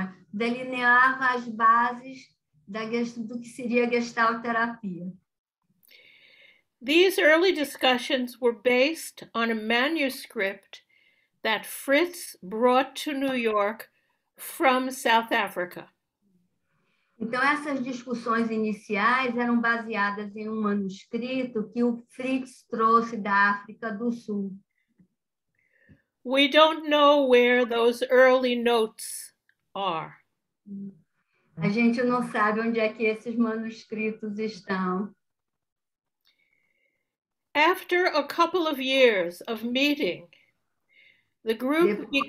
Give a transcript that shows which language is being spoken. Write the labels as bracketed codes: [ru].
[pt] Delineavam as bases do que seria Gestalt terapia. [en] These early discussions were based on a manuscript that Fritz brought to New York from South Africa. [pt] Então, essas discussões iniciais eram baseadas em um manuscrito que o Fritz trouxe da África do Sul. [en] We don't know where those early notes are. [pt] A gente não sabe onde é que esses manuscritos estão. [en] After a couple of years of meeting, the group...